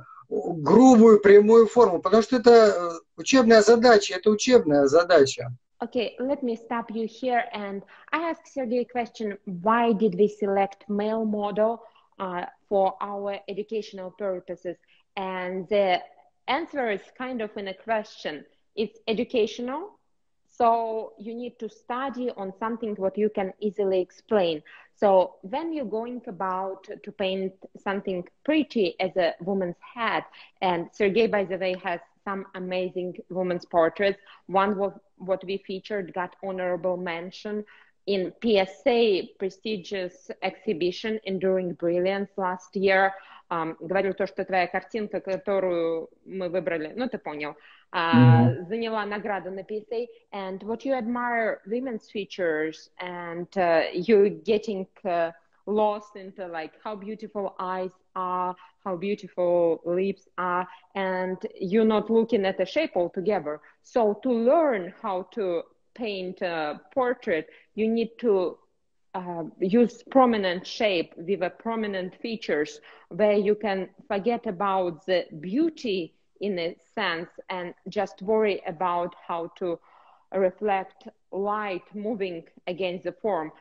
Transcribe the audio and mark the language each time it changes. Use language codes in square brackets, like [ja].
[ru] грубую прямую форму, потому что это учебная задача, это учебная задача. [en] Okay, let me stop you here and I ask Sergey a question. Why did we select male model for our educational purposes? And the answer is kind of in a question. It's educational, so you need to study on something what you can easily explain. So when you're going about to paint something pretty as a woman's head, and Sergey, by the way, has some amazing women's portraits. One was what we featured got honorable mention in PSA prestigious exhibition Enduring Brilliance last year. [ru] Говорил то, что твоя картинка, которую мы выбрали, ну ты понял, заняла награду на PSA. [en] And what you admire women's features and you're getting lost into like how beautiful eyes are, how beautiful lips are, and you're not looking at the shape altogether. So to learn how to paint a portrait, you need to use prominent shape with a prominent features where you can forget about the beauty in a sense and just worry about how to reflect light moving against the form.